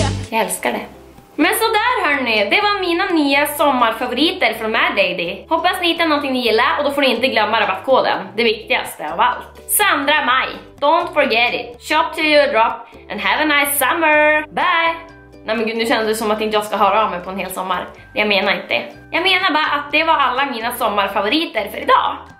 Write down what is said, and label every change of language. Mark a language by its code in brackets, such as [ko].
[sv] Jag älskar det. Men så där hörni, det var mina nya sommarfavoriter från Mad Lady. Hoppas ni hittar någonting ni gillar och då får ni inte glömma rabattkoden. Det viktigaste av allt. [en] Sandra Mai, don't forget it. Shop till your drop and have a nice summer. Bye! [sv] Nej men gud, nu känns det som att inte jag ska höra av mig på en hel sommar. Jag menar inte. Jag menar bara att det var alla mina sommarfavoriter för idag.